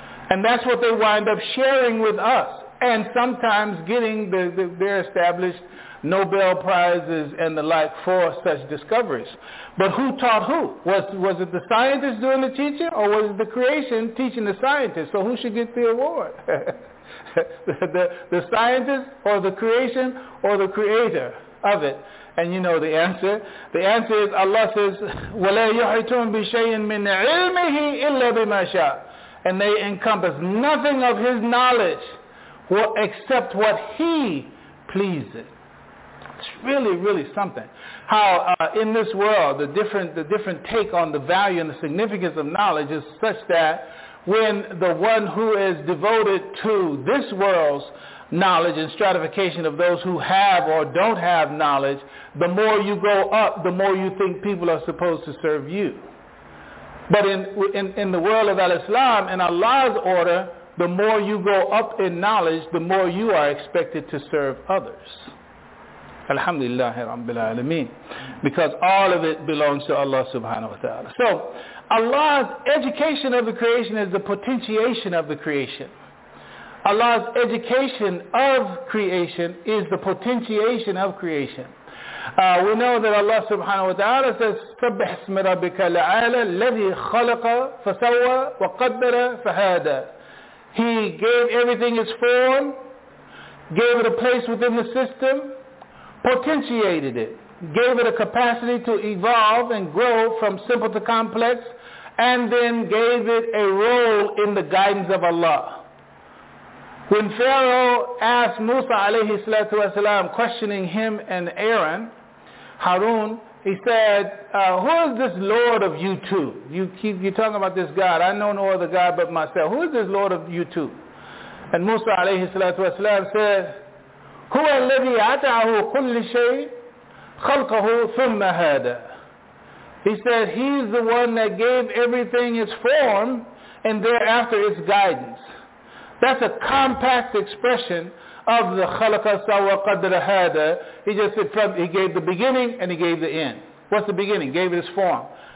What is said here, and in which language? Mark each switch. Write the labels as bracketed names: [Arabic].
[English] And that's what they wind up sharing with us, and sometimes getting their established Nobel Prizes and the like for such discoveries. But who taught who? Was it the scientist doing the teaching, or was it the creation teaching the scientist? So who should get the award? the scientist, or the creation, or the creator of it? And you know the answer. The answer is Allah says, [Arabic] وَلَا يُحِيطُونَ بِشَيْءٍ مِنْ عِلْمِهِ إِلَّا بِمَا شَاءَ. [English] And they encompass nothing of his knowledge except what he pleases. It's really, really something. How in this world, the different take on the value and the significance of knowledge is such that when the one who is devoted to this world's knowledge and stratification of those who have or don't have knowledge, the more you go up, the more you think people are supposed to serve you. But in the world of Al-Islam, in Allah's order, the more you go up in knowledge, the more you are expected to serve others. Alhamdulillah Rabbil Alameen. Because all of it belongs to Allah subhanahu wa ta'ala. So Allah's education of the creation is the potentiation of the creation. Allah's education of creation is the potentiation of creation. We know that Allah subhanahu wa ta'ala says, [Arabic] سَبِّحْ اسْمِ رَبِّكَ الْعَالَى الَّذِي خَلَقَ فَسَوَّى وَقَدَّرَ فَهَادَى. [English] He gave everything its form, gave it a place within the system, potentiated it, gave it a capacity to evolve and grow from simple to complex, and then gave it a role in the guidance of Allah. When Pharaoh asked Musa alayhi salatu wasalam, questioning him and Aaron, Harun, he said, who is this Lord of you two? You're talking about this God. I know no other God but myself. Who is this Lord of you two? And Musa alayhi salatu wasalam said, [Arabic] هو الذي أتاه كل شيء خلقه ثم هدى. [English] He said, he's the one that gave everything its form and thereafter its guidance. That's a compact expression of the [Arabic] خَلَقَ سَوَى قَدْرَ هَادَ. [English] He just said, he gave the beginning and he gave the end. What's the beginning? Gave it its form.